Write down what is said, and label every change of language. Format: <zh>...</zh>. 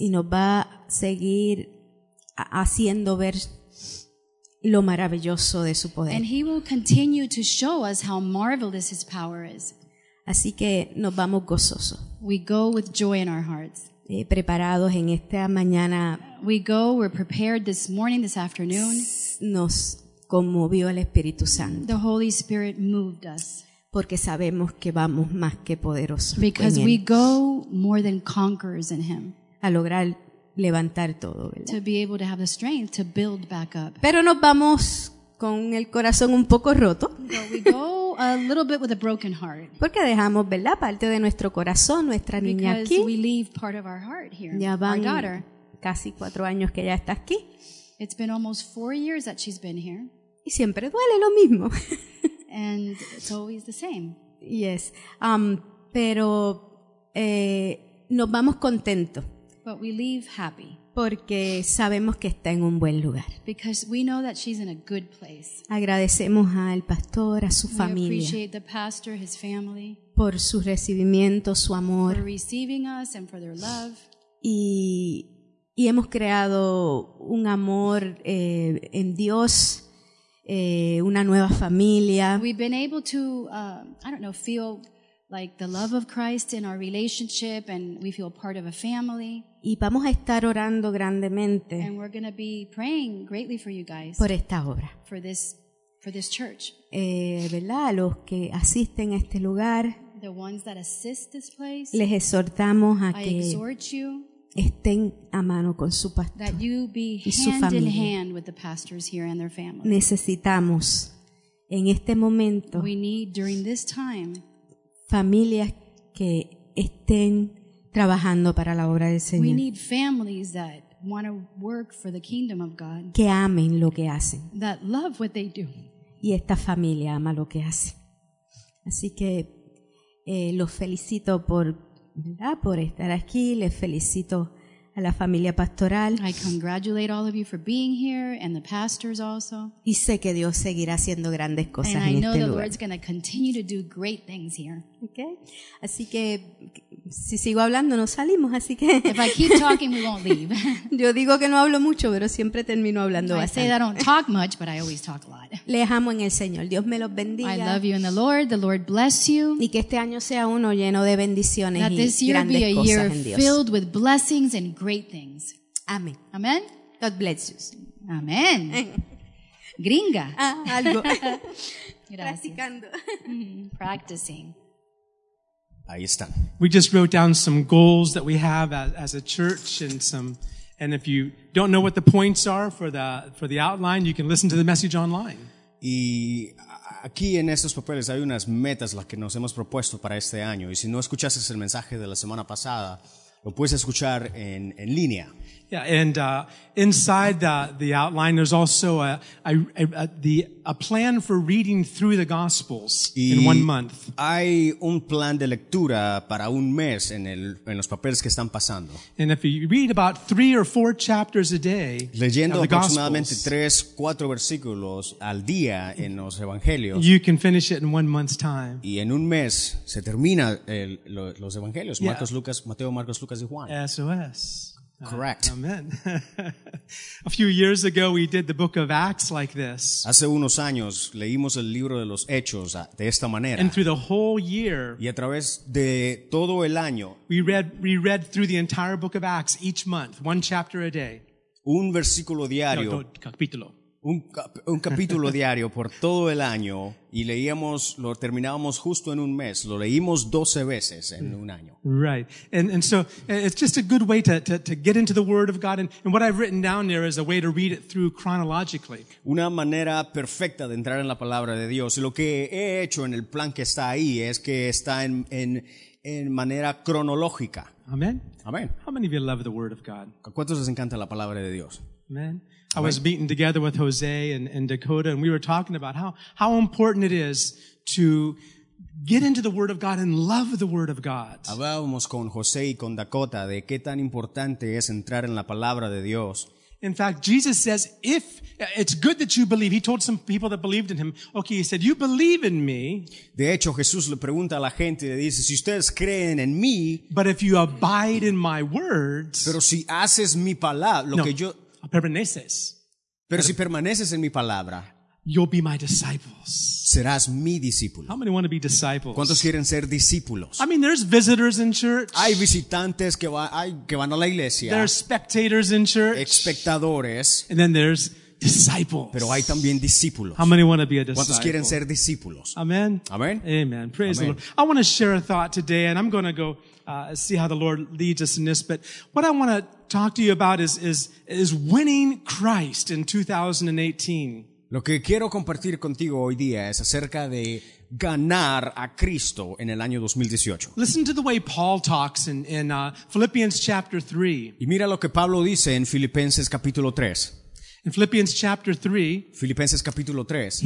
<es>Y nos va a seguir haciendo ver lo maravilloso de su poder.</es> <en>And he will continue to show us how marvelous his power is.</en> <es>Así que nos vamos gozosos.</es> <en>We go with joy in our hearts.</en> <es>Preparados en esta mañana.</es> <en>We go, we're prepared this morning, this afternoon.</en> <es>Nos conmovió el Espíritu Santo.</es> <en>The Holy Spirit moved us.</en> <es>Porque sabemos que vamos más que poderosos.</es> <en>Because we go more than conquerors in Him.</en> <es>A lograr levantar todo, ¿verdad?</es> <en>To be able to have the strength to build back up.</en> <es>Pero nos vamos con el corazón un poco roto.</es> <en>But we go a little bit with a broken heart.</en> <es>Porque dejamos, ¿verdad?, parte de nuestro corazón, nuestra</es> <en>because</en> <es>niña aquí.</es> <en>Because we leave part of our heart here.</en> <es>Ya van</es> <en>our daughter.</en> <es>Casi 4 años que ya está aquí.</es> <en>It's been almost 4 years that she's been here.</en> <es>Y siempre duele lo mismo.</es> <en>And it's always the same.</en> <es>Yes. Pero nos vamos contentos.</es> <en>But we leave happy.</en> <es>Porque sabemos que está en un buen lugar.</es> <en>Because we know that she's in a good place.</en> <es>Agradecemos al pastor, a su</es> <en>we</en> <es>familia.</es> <en>We appreciate the pastor, his family.</en> <es>Por su recibimiento, su amor.</es> <en>For receiving us and for their love.</en> <es>Y hemos creado un amor en Dios, una nueva familia.</es> <en>We've been able to, I don't know, feel like the love of Christ in our relationship, and we feel part of a family.</en> <es>Y vamos a estar orando grandemente.</es> <en>And we're going to be praying greatly for you guys.</en> <es>Por esta obra.</es> <en>For this church.</en> <es>¿Verdad? Los que asisten a este lugar.</es> <en>The ones that assist this place.</en> <es>Les exhortamos a</es> <en>I</en> <es>que.</es> <en>I exhort you.</en> <es>Estén a mano con su pastor</es> <en>that you be</en> <es>y su</es> <en>hand</en> <es>familia.</es> <en>In hand with the pastors here and their families.</en> <es>Necesitamos en este momento</es> <en>we need, during this time,</en> <es>familias que estén trabajando para la obra del Señor.</es> <en>We need families that want to work for the kingdom of God.</en> <es>Que amen lo que hacen.</es> <en>That love what they do.</en> <es>Y esta familia ama lo que hace. Así que los felicito por ¿verdad? Por estar aquí, les felicito a la familia pastoral.</es> <en>I congratulate all of you for being here and the pastors also.</en> <es>Y sé que Dios seguirá haciendo grandes cosas en este lugar.</es> <en>And I know the Lord's going to continue to do great things here. Okay.</en> <es>Así que si sigo hablando no salimos, así que</es> <en>if I keep talking we won't leave.</en> <es>Yo digo que no hablo mucho, pero siempre termino hablando bastante.</es> <en>I say I don't talk much, but I always talk a lot.</en> <es>Les amo en el Señor. Dios me los bendiga.</es> <en>I love you in the Lord. The Lord bless you.</en> <es>Y que este año sea uno lleno de bendiciones y grandes cosas en Dios.</es> <en>That this year be a year filled with blessings and great things.</en> <es>Amén.</es> <en>Amen. God bless you. Amen. Gringa.</en> <es>Ah, algo. Gracias. Practicando.</es> <en>Practicing.</en> <es>Ahí está.</es> <en>We just wrote down some goals that we have as a church and some, and if you don't know what the points are for the outline, you can listen to the message online.</en> <es>Y aquí en estos papeles hay unas metas las que nos hemos propuesto para este año. Y si no escuchaste el mensaje de la semana pasada, lo puedes escuchar en línea.</es> <en>Yeah, and inside the outline there's also a plan for reading through the Gospels in 1 month.</en> <es>Hay un plan de lectura para un mes en los papeles que están pasando.</es> <en>And if you read about 3 or 4 chapters a day,</en> <es>leyendo</es> <en>of the</en> <es>aproximadamente</es> <en>Gospels,</en> <es>3-4 versículos al día en los Evangelios,</es> <en>you can finish it in 1 month's time.</en> <es>Y en un mes se termina los Evangelios. Yeah. Marcos, Lucas, Mateo, Marcos, Lucas y Juan. SOS.</es> <en>Correct. Amen. A few years ago, we did the book of Acts like this.</en> <es>Hace unos años leímos el libro de los Hechos de esta manera.</es> <en>And through the whole year,</en> <es>y a través de todo el año,</es> <en>we read through the entire book of Acts each month, one chapter a day.</en> <es>Un versículo diario. No, capítulo. Un capítulo diario por todo el año y leíamos, lo terminábamos justo en un mes, lo leímos 12 veces en un año.</es> <en>Right. And so it's just a good way to get into the Word of God, and what I've written down there is a way to read it through chronologically.</en> <es>Una manera perfecta de entrar en la palabra de Dios. Y lo que he hecho en el plan que está ahí es que está en manera cronológica.</es> <en>Amen. Amen. How many of you love the Word of God?</en> <es>¿A cuántos les encanta la palabra de Dios?</es> <en>Amen. I was meeting together with Jose and Dakota, and we were talking about how important it is to get into the Word of God and love the Word of God.</en> <es>Hablábamos con Jose y con Dakota de qué tan importante es entrar en la palabra de Dios.</es> <en>In fact, Jesus says, "If it's good that you believe," he told some people that believed in him. Okay, he said, "You believe in me."</en> <es>De hecho, Jesús le pregunta a la gente y le dice, "Si ustedes creen en mí,"</es> <en>but if you abide in my words,</en> <es>pero si haces mi palabra, lo no, que yo permaneces. Pero si permaneces en mi palabra,</es> <en>you'll be my disciples.</en> <es>Serás mi discípulo.</es> <en>How many want to be disciples?</en> <es>¿Cuántos quieren ser discípulos?</es> <en>I mean, there's visitors in church.</en> <es>Hay visitantes que van a la iglesia.</es> <en>There are spectators in church.</en> <es>Espectadores.</es> <en>And then there's disciples.</en> <es>Pero hay también discípulos.</es> <en>How many want to be a disciple?</en> <es>¿Cuántos quieren ser discípulos?</es> <en>Amen. Amen. Amen. Praise the Lord. I want to share a thought today, and I'm going to go see how the Lord leads us in this. But what I want to talk to you about is winning Christ in 2018.</en> <es>Lo que quiero compartir contigo hoy día es acerca de ganar a Cristo en el año 2018.</es> <en>Listen to the way Paul talks in Philippians chapter 3.</en> <es>Y mira lo que Pablo dice en Filipenses capítulo 3.</es> <en>In Philippians chapter 3,</en> <es>Filipenses capítulo 3,</es>